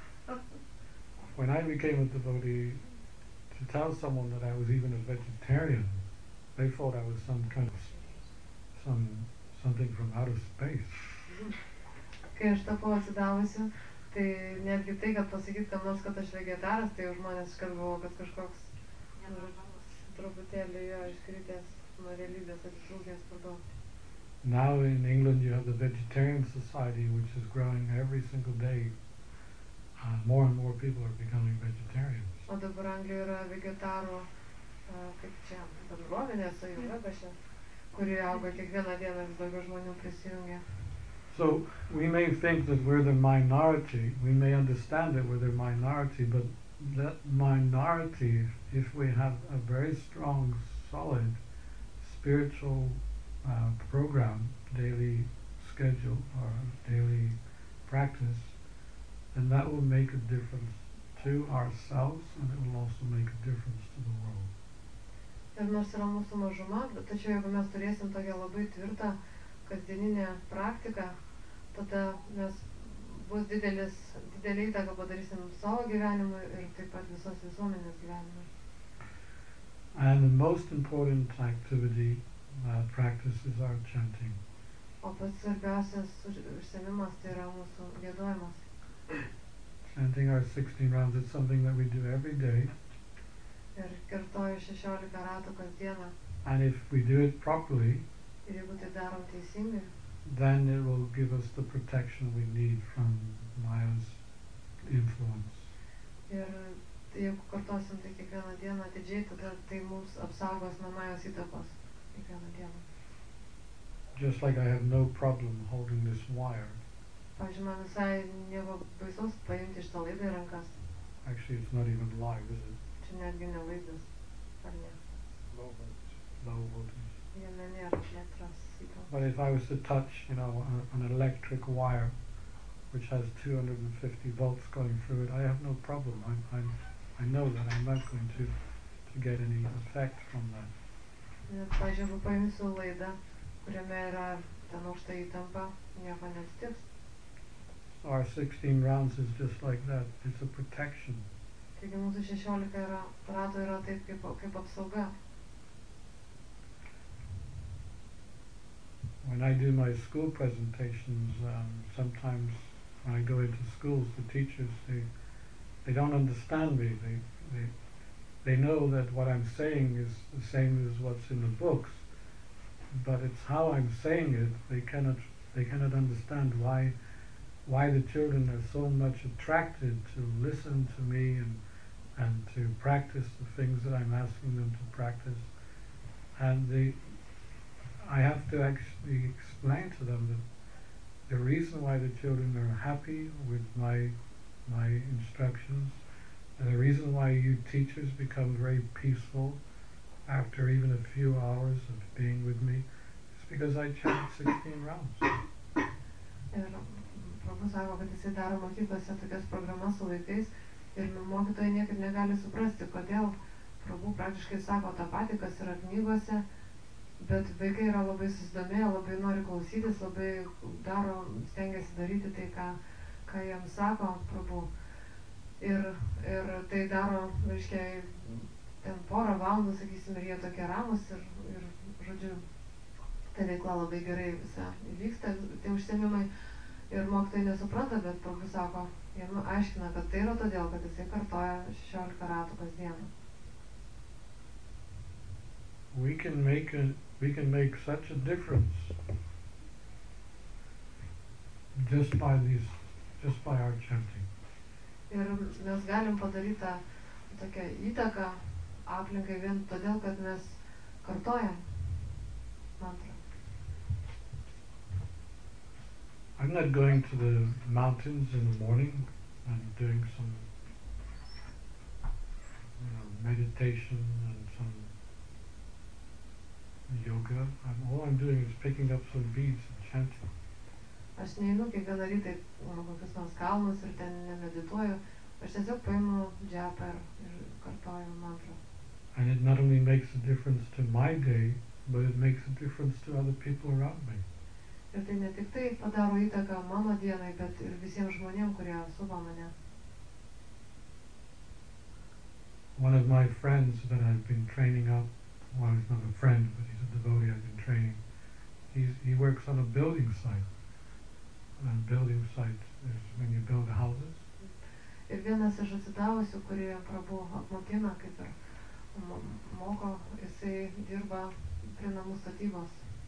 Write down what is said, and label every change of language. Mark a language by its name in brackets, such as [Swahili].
[English] Oh, okay. When I became a devotee, to tell someone that I was even a vegetarian, they thought I was some kind of something from outer space. [Lithuanian] Kai aš tapau atsidavusiu. Tai netgi tai, kad pasakyt, kad nors, kad aš vegetaras, tai žmonės iškalbavo, kad kažkoks truputėlį jo iškritęs nuo realybės atitrūkęs pradauti. [English] Now in England you have the vegetarian society which is growing every single day. More and more people are becoming vegetarians. [Lithuanian] O dabar Anglijoje yra vegetarų, kaip čia, bendruomenė, sąjunga, kuri auga kiekvieną dieną vis daugiau žmonių prisijungia. [English] So we may think that we're the minority, we may understand that we're the minority, but that minority, if we have a very strong, solid spiritual program, daily schedule or daily practice, and that will make a difference to ourselves, and it will also make a difference to the world. [Lithuanian] Ir nors yra mūsų mažuma, tačiau jeigu mes turėsim tokią labai tvirtą kasdieninę praktiką, tada mes bus didelį įtaką padarysim savo gyvenimui ir taip pat visos visuomenės gyvenimui. [English] And the most important activity, practice is our chanting. [Lithuanian] O pats svarbiausias užsiėmimas tai yra mūsų giedojimas. [English] Chanting our 16 rounds is something that we do every day. [Lithuanian] Ir kartoju 16 ratų kasdieną. [English] And if we do it properly, [Lithuanian] ir jeigu tai darom teisingai, [English] then it will give us the protection we need from Maya's influence. [Lithuanian] Ir jeigu kartosim tai kiekvieną dieną didžiai, tada tai mums apsaugos nuo Maya's įtakos kiekvieną dieną. [English] Just like I have no problem holding this wire. [Lithuanian] Pavyzdžiui, man visai nieko baisaus paimti šitą laidą į rankas. [English] Actually, it's not even live, is it? [Lithuanian] Čia netgi ne vaizdas, ar ne? [English] Low voltage. Low voltage. [Lithuanian] Jame nėra elektros įtampos. [English] But if I was to touch, you know, an electric wire, which has 250 volts going through it, I have no problem. I know that I'm not going to get any effect from that. [Lithuanian] Pavyzdžiui, jeigu paimsiu laidą, kuriame yra ten aukšta įtampa, nieko nesitiks. [English] Our 16 rounds is just like that. It's a protection. [Lithuanian] Taigi mūsų 16 ratų yra taip kaip apsauga. [English] When I do my school presentations, sometimes when I go into schools, the teachers, they don't understand me. They know that what I'm saying is the same as what's in the books, but it's how I'm saying it. They cannot understand why the children are so much attracted to listen to me and to practice the things that I'm asking them to practice. And I have to actually explain to them that the reason why the children are happy with my instructions, and the reason why you teachers become very peaceful after even a few hours of being with me, is because I chant 16 rounds. [Lithuanian] Žmogus sako, kad jisai daro mokyklose tokias programas su vaikais ir mokytojai niekaip negali suprasti, kodėl prabū praktiškai sako tą patį, kas yra knygose, bet vaikai yra labai susidomėję, labai nori klausytis, labai daro, stengiasi daryti tai, ką jam sako prabū. Ir tai daro, aiškiai, ten porą valandų, sakysim, ir jie tokie ramus ir žodžiu, ta veikla labai gerai visa vyksta, tie užsiėmimai. Ir mokytojai nesupranta, bet prabūs sako, jiem aiškina, kad tai yra todėl, kad jisai kartoja 16 ratų kasdieną. [English] We can make such a difference just by our chanting. [Lithuanian] Ir mes galim padaryti tą tokią įtaką aplinkai vien todėl, kad mes kartojam mantrą. [English] I'm not going to the mountains in the morning and doing some, you know, meditation and some yoga. All I'm doing is picking up some beads and chanting. [Lithuanian] Aš neinu kiekvieną rytą kokius nors kalnus ir ten nemedituoju. Aš tiesiog paimu džiapą ir kartoju mantrą. [English] And it not only makes a difference to my day, but it makes a difference to other people around me. [Lithuanian] Ir tai ne tik tai padaro įtaką mano dienai, bet ir visiems žmonėms, kurie supa mane. [English] One of my friends that I've been training up, well, he's not a friend, but he's a devotee I've been training, he works on a building site. And building site is when you build houses. [Lithuanian] Ir vienas iš atsidavusių, kurį prabū apmokina, kaip ir moko, jisai dirba prie namų statybos.